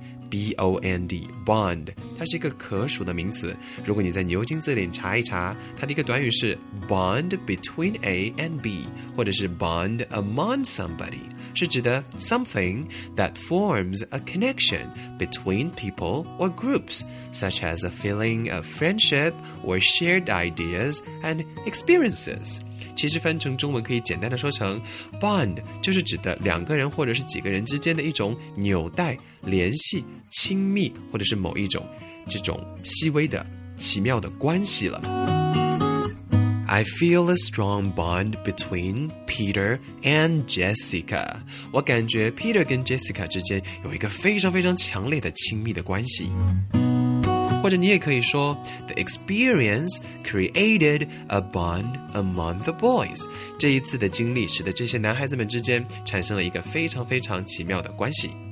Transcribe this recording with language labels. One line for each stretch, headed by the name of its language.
Chinese: B-O-N-D, bond, 它是一个可数的名词。如果你在牛津字典查一查，它的一个短语是
English: bond between A and B, 或者是 bond among somebody, 是指的 something that forms a connection between people or groups, such as a feeling of friendship or shared ideas and experiences.
Chinese: 其实翻成中文可以简单的说成 bond 就是指的两个人或者是几个人之间的一种纽带联系亲密或者是某一种这种细微的奇妙的关系了
English: I feel a strong bond between Peter and Jessica
Chinese: 我感觉 Peter 跟 Jessica 之间有一个非常非常强烈的亲密的关系或者你也可以说
English: The experience created a bond among the boys
Chinese: 这一次的经历使得这些男孩子们之间产生了一个非常非常奇妙的关系